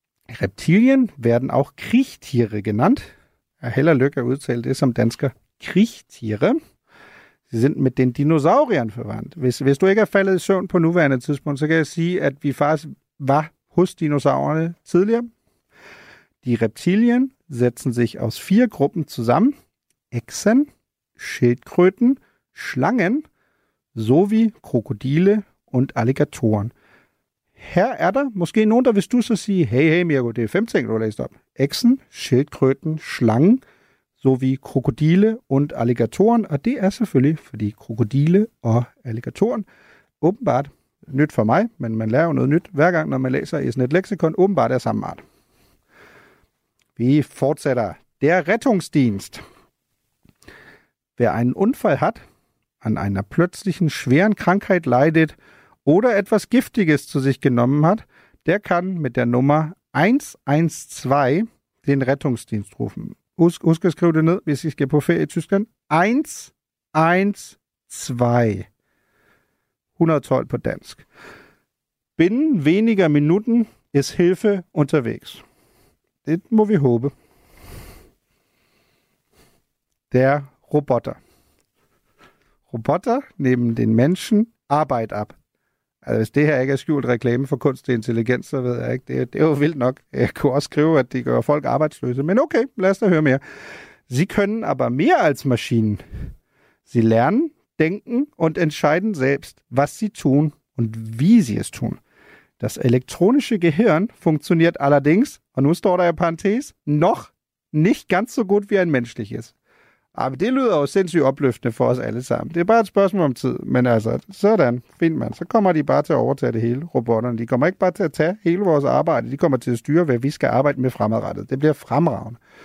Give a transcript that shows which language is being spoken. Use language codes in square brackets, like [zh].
[de] Reptilien werden auch Kriechtiere genannt. [da] Er heller lykke udtalt det som dansker. [de] Kriechtiere. Sie sind mit den Dinosauriern verwandt. [da] Hvis du ikke er faldet i søvn på nuværende tidspunkt, så kan jeg sige, at vi faktisk var hos dinosaurerne tidligere. [de] Die Reptilien setzen sich aus 4 Gruppen zusammen. Echsen, Schildkröten, Schlangen sowie Krokodile und Alligatoren. [da] Her er der måske nogen, der vil du så sige, hey, hey, Mirko, det er 5 ting, du har læst op. [de] Echsen, Schildkröten, Schlangen sowie Krokodile und Alligatoren. [da] Og det er selvfølgelig, fordi krokodile og alligatoren åbenbart nyt for mig, men man lærer jo noget nyt hver gang, når man læser i sådan et leksikon, åbenbart er samme art. Vi fortsætter. [de] Der Rettungsdienst. Wer einen Unfall hat, an einer plötzlichen schweren Krankheit leidet oder etwas Giftiges zu sich genommen hat, der kann mit der Nummer 112 den Rettungsdienst rufen. [da] Husk at skrive det ned, hvis I skal på ferie i Tyskland. 112. 112 på dansk. [de] Binnen weniger Minuten ist Hilfe unterwegs. [da] Det må vi håbe. [de] Der Roboter. Roboter nehmen den Menschen Arbeit ab. [da] Altså hvis det her ikke er skjult reklame for kunstig intelligens, så ved jeg ikke. Det er jo vildt nok. Jeg kunne også skrive, at de gør folk arbejdsløse. Men okay, lad os da høre mere. [de] Sie können aber mehr als Maschinen. Sie lernen, denken und entscheiden selbst, was sie tun und wie sie es tun. Das elektronische Gehirn funktioniert allerdings, und [da] nu står der i parentes, [de] noch nicht ganz so gut wie ein menschliches. [da] Aber det lyder jo sindssygt opløftende for os alle sammen. Det er bare et spørgsmål om tid, men altså, sådan, fint mand. Så kommer de bare til at overtage det hele, robotterne. De kommer ikke bare til at tage hele vores arbejde. De kommer til at styre, hvad vi skal arbejde med fremadrettet. Det bliver fremragende.